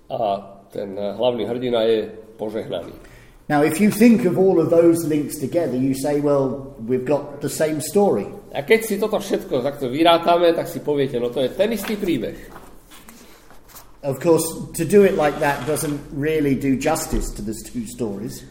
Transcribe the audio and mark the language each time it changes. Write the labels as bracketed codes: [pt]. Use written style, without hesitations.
[sk] A ten hlavný hrdina je požehnaný. [en] Now if you think of all of those links together, you say, well, we've got the same story. [sk] A keď si toto všetko takto vyrátame, tak si poviete, no to je ten istý príbeh. [en] Of course, to do it like that doesn't really do justice to these two stories.